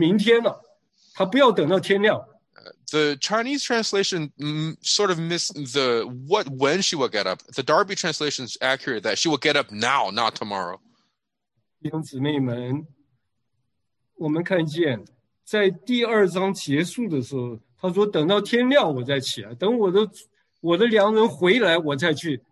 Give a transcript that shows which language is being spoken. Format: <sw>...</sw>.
<zh>中文的说我要起来，英文的Darby的翻译说我要起来，现在就起来，不等明天了，他不要等到天亮。The</zh> <en>Chinese translation sort of missed the what when she will get up. The Darby translation is accurate that she will get up now, not tomorrow.</en> <zh>弟兄姊妹们，我们看见在第二章结束的时候，他说等到天亮我再起来，等我的良人回来我再去。</zh>